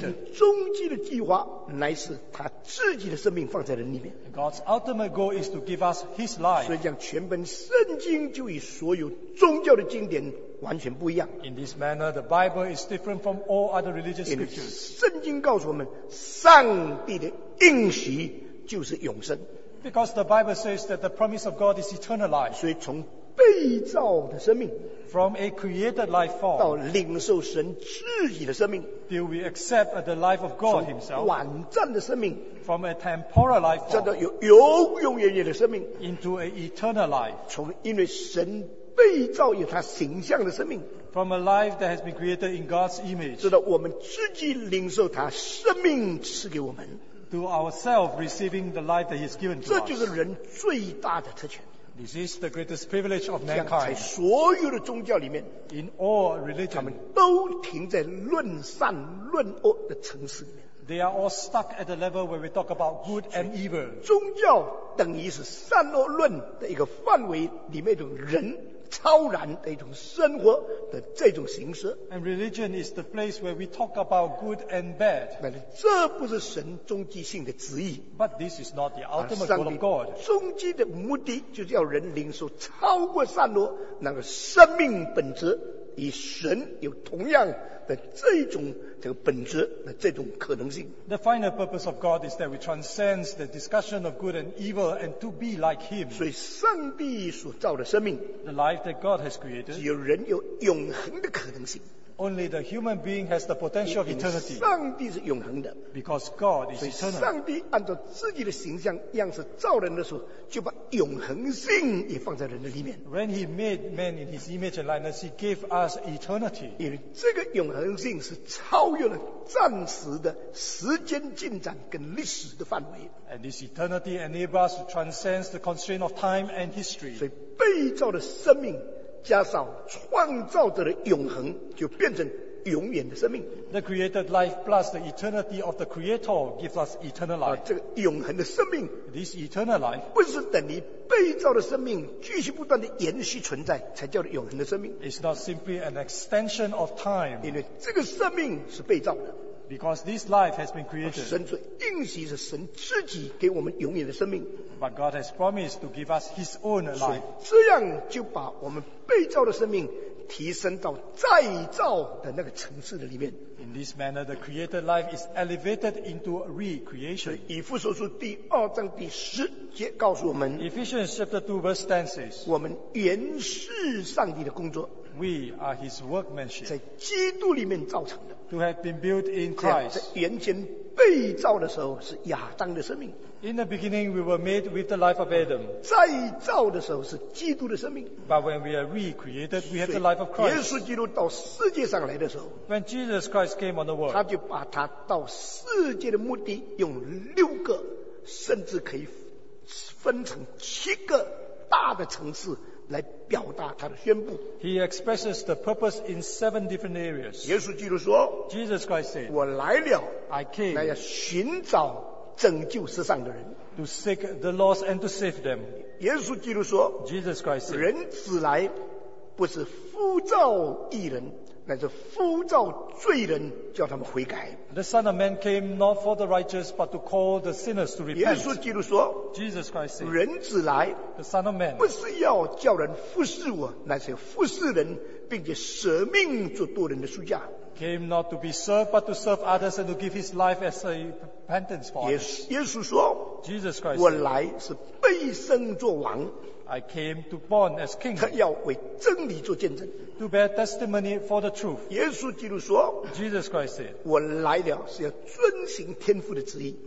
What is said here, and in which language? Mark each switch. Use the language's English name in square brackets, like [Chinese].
[Chinese] 神终极的计划乃是他自己的生命放在人里面。 [English] God's ultimate goal is to give us his life. [Chinese] 所以讲全本圣经就与所有宗教的经典完全不一样。 [English] In this manner, the Bible is different from all other religious scriptures. [Chinese] 圣经告诉我们，上帝的应许就是永生。 [English] Because the Bible says that the promise of God is eternal life. [Chinese] 所以从被造的生命 [English] from a created life form [Chinese] 到领受神自己的生命 [English] till we accept the life of God himself [Chinese] 从短暂的生命 [English] from a temporal life form [Chinese] 直到有永永远远的生命 [English] into an eternal life [Chinese] 从因为神被造有他形象的生命 [English] from a life that has been created in God's image [Chinese] 直到我们自己领受他生命赐给我们 [English] to ourselves receiving the life that he has given to us [Chinese] 这就是人最大的特权 [English] This is the greatest privilege of mankind. [Chinese] 在所有的宗教里面 [English] in all religion, [Chinese] 他们都停在论善论恶的层次里面 [English] They are all stuck at the level where we talk about good and evil. [Chinese] 宗教等于是善恶论的一个范围里面一种人超然的一种生活的这种形式 [English] And religion is the place where we talk about good and bad. [Chinese] 这不是神终极性的旨意 [English] But this is not the ultimate goal of God. [Chinese] 终极的目的就是要人领受超过善恶那个生命本质与神有同样的这种这个本质的这种可能性 [English] The final purpose of God is that we transcend the discussion of good and evil and to be like Him [Chinese] 所以上帝所造的生命 [English] The life that God has created [Chinese] 只有人有永恒的可能性 [English] Only the human being has the potential of eternity [Chinese] 上帝是永恒的 [English] Because God is eternal [Chinese] 所以上帝按照自己的形象样式造人的时候就把永恒性也放在人的里面 [English] When he made man in his image and likeness he gave us eternity [Chinese] 因为这个永恒性是超越了暂时的时间进展跟历史的范围 [English] And this eternity enables us to transcend the constraint of time and history [Chinese] 所以被造的生命加上创造者的永恒就变成永远的生命 [English] The created life plus the eternity of the creator gives us eternal life [Chinese] 这个永恒的生命 [English] This eternal life [Chinese] 不是等于被造的生命继续不断的延续存在才叫做永恒的生命 [English] It's not simply an extension of time [Chinese] 因为这个生命是被造的 [English] Because this life has been created [Chinese] 神所应许是神自己给我们永远的生命 [English] But God has promised to give us his own life [Chinese] 这样就把我们被造的生命提升到再造的那个层次的里面 [English] In this manner, the created life is elevated into recreation [Chinese] 以弗所书第二章第十节告诉我们 [English] Ephesians chapter 2 verse 10 says [Chinese] 我们原是上帝的工作 [English] We are his workmanship [Chinese] 在基督里面造成的 [English] To have been built in Christ [Chinese] 在原先被造的时候是亚当的生命 [English] In the beginning we were made with the life of Adam [Chinese] 再造的时候是基督的生命 [English] But when we are recreated we have the life of Christ [Chinese] 耶稣基督到世界上来的时候 [English] When Jesus Christ came on the world [Chinese] 他就把他到世界的目的用六个甚至可以分成七个大的层次来表达他的宣布 [English] He expresses the purpose in seven different areas [Chinese] 耶稣基督说 [English] Jesus Christ said [Chinese] 我来了 [English] I came [Chinese] 来要寻找拯救世上的人 [English] To seek the lost and to save them [Chinese] 耶稣基督说 [English] Jesus Christ said [Chinese] 人子来不是呼召义人乃是呼召罪人叫他们悔改 [English] The Son of Man came not for the righteous but to call the sinners to repent [Chinese] 耶稣基督说 [English] Jesus Christ said [Chinese] 人子来 [English] The Son of Man [Chinese] 不是要叫人服侍我乃是服侍人并且舍命做多人的赎价 [English] came not to be served but to serve others and to give his life as a repentance for others [Chinese] 耶稣说 [English] Jesus Christ [Chinese] 我来是被生作王 [English] I came to born as king. [Chinese] 他要为真理做见证。 [English] To bear testimony for the truth. [Chinese] 耶稣基督说 [English] Jesus Christ said, [Chinese] 我来了是要遵行天父的旨意。